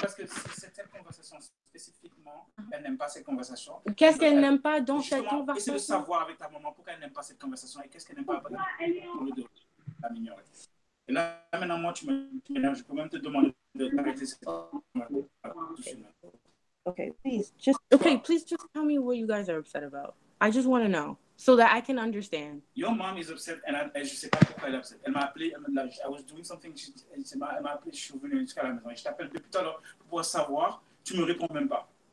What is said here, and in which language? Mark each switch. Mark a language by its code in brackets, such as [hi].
[fr] Parce que cette conversation spécifiquement, elle n'aime pas cette conversation. Qu'est-ce qu'elle n'aime pas dans cette conversation? Essaye de savoir avec ta maman pourquoi elle n'aime pas cette conversation et qu'est-ce qu'elle n'aime pas pour le dos, la mignonne. Et là maintenant moi tu me ménages. Je peux même te demander de t'arrêter cette conversation. [en] Okay, please just tell me what you guys are upset about. I just want to know. So that I can understand. Your mom is upset, and [fr] je sais pas pourquoi elle est upset. Elle m'a appelé, [en] I was doing something, [fr] elle m'a appelé, je suis venu jusqu'à la maison. Et je t'appelle depuis tout à l'heure pour savoir, tu me réponds même pas.